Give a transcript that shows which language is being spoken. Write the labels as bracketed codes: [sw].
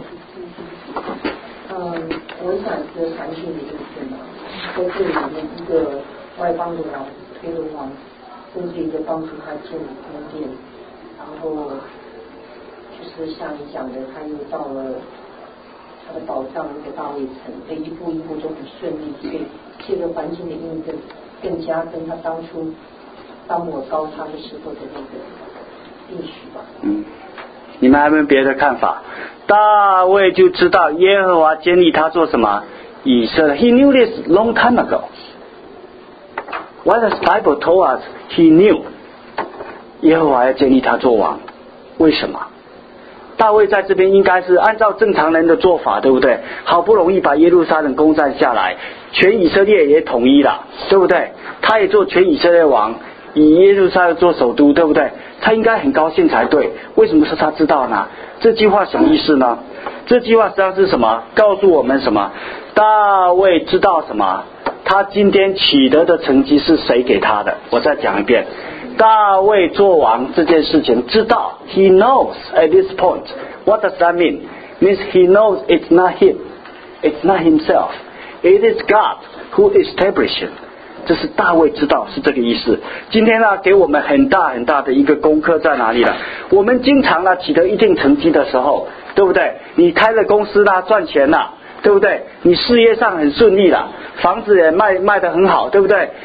[zh] 我想这传讯的就是嘛，在这里面一个外邦的王推罗王，就是一个帮助他建立宫殿，然后就是像你讲的，他又到了他的宝藏那个大卫城，这一步一步都很顺利，所以这个环境的印证更加跟他当初当我高他的时候的那个应许吧。嗯，你们还没有别的看法？大卫就知道耶和华建立他做什么以色列。 [en] He knew this long time ago. Why does Bible told us he knew [zh] 耶和华要建立他做王？为什么大卫在这边应该是按照正常人的做法，对不对？好不容易把耶路撒冷攻占下来，全以色列也统一了，对不对？他也做全以色列王，以耶路撒冷做首都，对不对？他应该很高兴才对，为什么说他知道呢？这句话什么意思呢？这句话实际上是什么？告诉我们什么？大卫知道什么？他今天取得的成绩是谁给他的？我再讲一遍，大卫做王这件事情知道。 [en] He knows at this point. What does that mean? Means he knows it's not him. It's not himself. It is God who established him. [zh] 这是大卫知道，是这个意思。今天呢，给我们很大很大的一个功课在哪里了？我们经常呢取得一定成绩的时候，对不对？你开了公司啦，赚钱啦，对不对？你事业上很顺利啦，房子也卖得很好，对不对？